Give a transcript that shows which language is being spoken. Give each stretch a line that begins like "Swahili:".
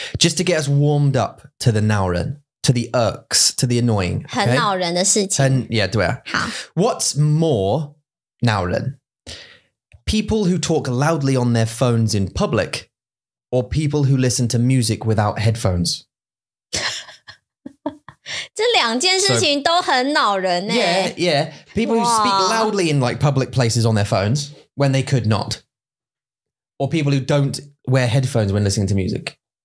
English: Just to get us warmed up to the 恼人, to the irks, to the annoying.
Chinese: Okay? 很恼人的事情。 Yeah, 对啊。好。
English: What's more 恼人? People who talk loudly on their phones in public or people who listen to music without headphones?
Chinese: 这两件事情都很恼人耶。
English: Yeah. People who speak loudly in like public places on their phones when they could not. Or people who don't wear headphones when listening to music.